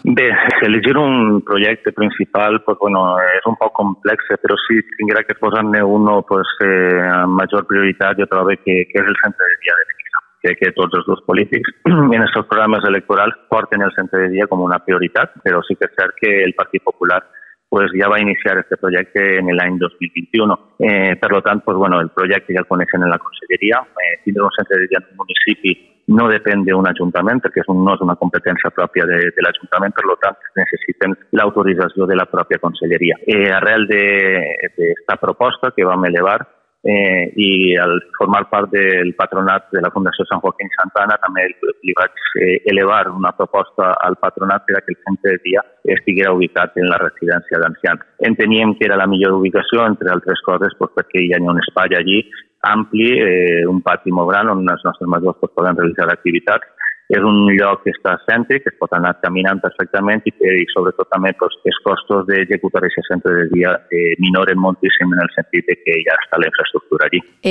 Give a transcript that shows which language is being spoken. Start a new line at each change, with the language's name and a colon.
Catalan: Bé, elegir un projecte principal pues, bueno, és un poc complex, però si tinguera que posar-ne un pues, amb major prioritat, jo trobo que és el centre de dia de Benissa. Crec que tots els dos polítics en els seus programes electorals porten el centre de dia com una prioritat, però sí que és cert que el Partit Popular pues
Spanish: ya va a iniciar este proyecto en el año 2021. Por lo tanto, pues bueno, el proyecto ya lo conocen en la consellería. Tiene un centro de día en un municipio, no depende de un ayuntamiento, porque no es una competencia propia del ayuntamiento, por lo tanto, necesiten la autorización de la propia consellería. A real de esta propuesta que vamos a elevar, y al formar parte del patronato de la Fundación San Joaquín Santana, también le va a elevar una propuesta al patronato para que el centro de día
Catalan: estiguera ubicat en la residència d'ancians. Enteníem que era la millor ubicació, entre altres coses, pues, perquè hi ha un espai allí ampli, un pati molt gran on els nostres majors pues, poden realitzar activitats. És un lloc que està cèntric, es pot anar caminant perfectament i sobretot també pues, els costos d'executar aquest centre de dia minoren moltíssim en el sentit de que ja està l'infraestructura allí.